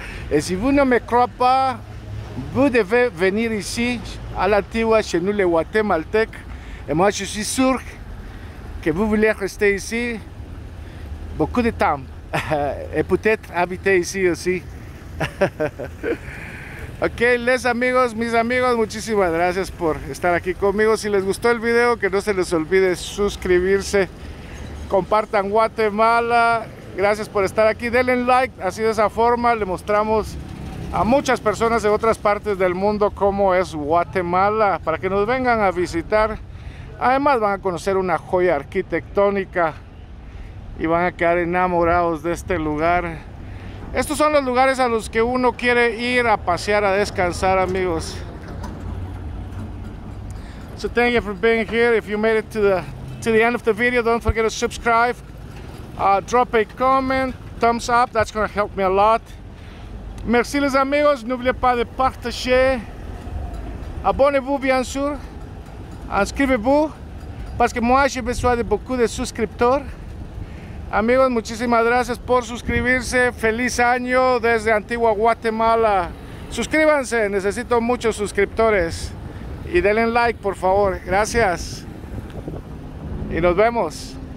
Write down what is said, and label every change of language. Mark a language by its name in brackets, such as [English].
[French] Et si vous ne me croyez pas, vous devez venir ici, à l'Antigua, chez nous, les Guatémaltèques. Et moi, je suis sûr que vous voulez rester ici beaucoup de temps. Et peut-être habiter ici aussi. [Spanish] Ok, les amigos, mis amigos, muchísimas gracias por estar aquí conmigo. Si les gustó el video, que no se les olvide suscribirse. Compartan Guatemala, gracias por estar aquí, denle like, así de esa forma le mostramos a muchas personas de otras partes del mundo cómo es Guatemala, para que nos vengan a visitar. Además van a conocer una joya arquitectónica y van a quedar enamorados de este lugar. Estos son los lugares a los que uno quiere ir a pasear, a descansar, amigos. [English] So thank you for being here. If you made it to the end of the video, don't forget to subscribe, drop a comment, thumbs up, that's gonna help me a lot. [French] Merci les amigos, n'oubliez pas de partager, abonnez-vous bien sûr, inscrivez-vous, parce que moi j'ai besoin de beaucoup de suscripteurs. [Spanish] Amigos, muchísimas gracias por suscribirse, feliz año desde Antigua Guatemala. Suscríbanse, necesito muchos suscriptores, y denle like por favor, gracias. Y nos vemos.